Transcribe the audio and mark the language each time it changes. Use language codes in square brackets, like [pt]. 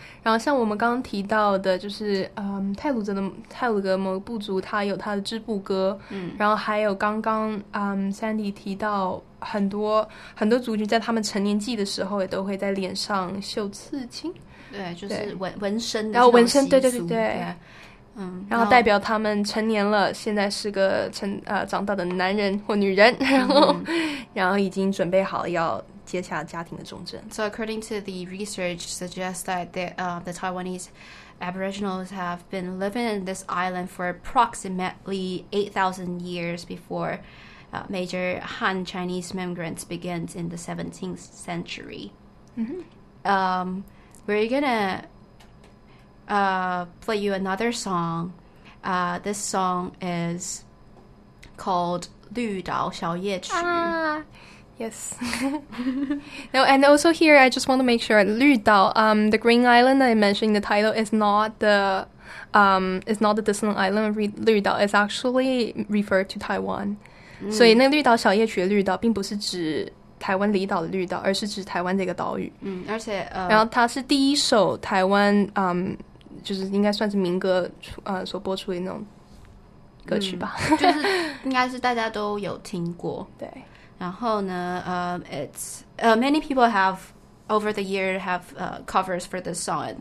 [zh] 然后像我们刚刚提到的，就是泰鲁格某个部族，他有他的织布歌，然后还有刚刚Sandy 提到很多族群在他们成年祭的时候也都会在脸上绣刺青，对，就是纹身的，然后纹身，对。然后代表他们成年了，现在是个长大的男人或女人，然后已经准备好要接下家庭的重任。 [en] So according to the research suggests that the Taiwanese Aboriginals have been living in this island for approximately 8,000 years before major Han Chinese migrants began in the 17th century. We're gonna play you another song. This song is called 绿岛小夜曲. Yes. No, and also here, I just want to make sure 绿岛, the green island that I mentioned in the title is not the distant island of 绿岛. It's actually referred to Taiwan. [zh] 所以那绿岛小夜曲的绿岛并不是指台湾离岛的绿岛，而是指台湾这个岛屿。而且然后它是第一首台湾就是应该算是民歌所播出的那种歌曲吧，就是应该是大家都有听过。对，然后呢、 [en] many people have over the year have covers for this song.